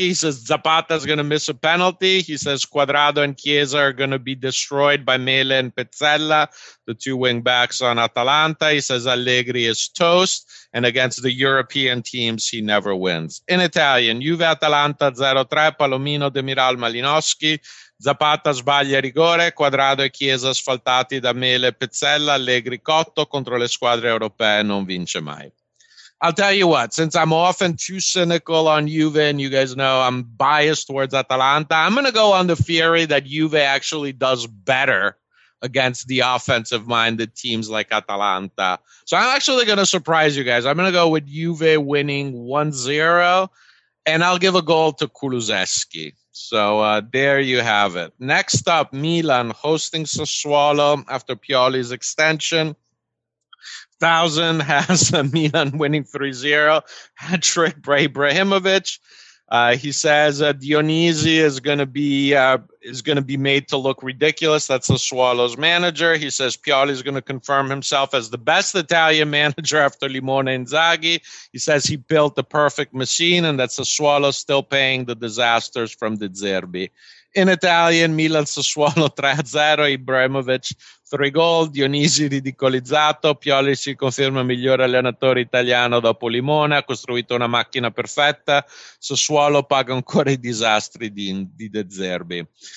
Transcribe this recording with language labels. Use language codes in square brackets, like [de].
[en] He says Zapata's going to miss a penalty. He says Cuadrado and Chiesa are going to be destroyed by Mele and Pezzella, the two wing backs on Atalanta. He says Allegri is toast. And against the European teams, he never wins. In Italian, Juve Atalanta 0-3, Palomino, Demiral, Malinowski. [it] Zapata sbaglia rigore, Cuadrado e Chiesa asfaltati da Mele, Pezzella, Allegri, Cotto contro le squadre europee non vince mai. [en] I'll tell you what, since I'm often too cynical on Juve, and you guys know I'm biased towards Atalanta, I'm going to go on the theory that Juve actually does better against the offensive-minded teams like Atalanta. So I'm actually going to surprise you guys. I'm going to go with Juve winning 1-0, and I'll give a goal to Kulusevski. So there you have it. Next up, Milan hosting Sassuolo after Pioli's extension. Thousand has Milan winning 3-0. Hat trick by Ibrahimovic. He says Dionisi is going to be made to look ridiculous. That's Sassuolo's manager. He says Pioli is going to confirm himself as the best Italian manager after Limone Inzaghi. He says he built the perfect machine and that Sassuolo still paying the disasters from the Zerbi. In Italian, [it] Milan Sassuolo 3-0, Ibrahimovic 3 gol, Dionisi ridicolizzato, Pioli si conferma migliore allenatore italiano dopo Limone, ha costruito una macchina perfetta, Sassuolo paga ancora i disastri di De Zerbi.